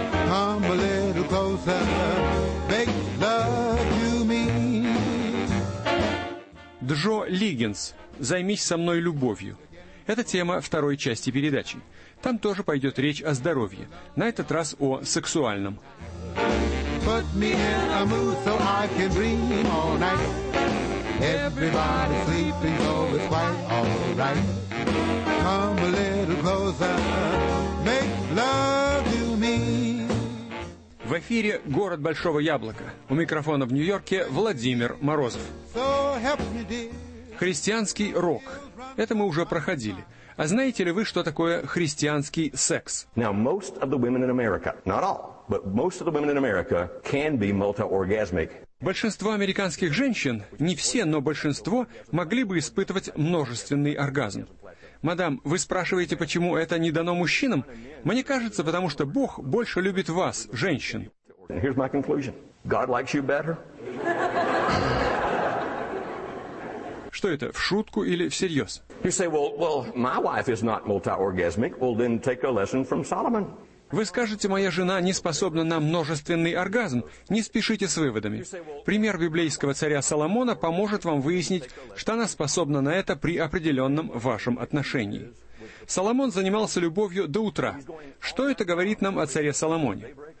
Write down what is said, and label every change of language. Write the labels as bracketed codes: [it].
[en] Come a little closer, make love you mean. [ru] Джо Лиггинс. «Займись со мной любовью». Это тема второй части передачи. Там тоже пойдет речь о здоровье. На этот раз о сексуальном. [en] Put me in a mood so I can dream all night. Everybody's sleeping so it's quite all right. Come a little closer, make love you mean. [ru] В эфире «Город Большого Яблока». У микрофона в Нью-Йорке Владимир Морозов. Христианский рок. Это мы уже проходили. А знаете ли вы, что такое христианский секс? [en] Now, most of the women in America, not all, but most of the women in America can be multi-orgasmic. [ru] Большинство американских женщин, не все, но большинство, могли бы испытывать множественный оргазм. Мадам, вы спрашиваете, почему это не дано мужчинам? Мне кажется, потому что Бог больше любит вас, женщин. [en] And here's my conclusion. God likes you better. [ru] Что это, в шутку или всерьез? [en] You say, well, my wife is not multi-orgasmic. Well, then take a lesson from Solomon. [ru] Вы скажете, моя жена не способна на множественный оргазм. Не спешите с выводами. Пример библейского царя Соломона поможет вам выяснить, что она способна на это при определенном вашем отношении. Соломон занимался любовью до утра. Что это говорит нам о царе Соломоне?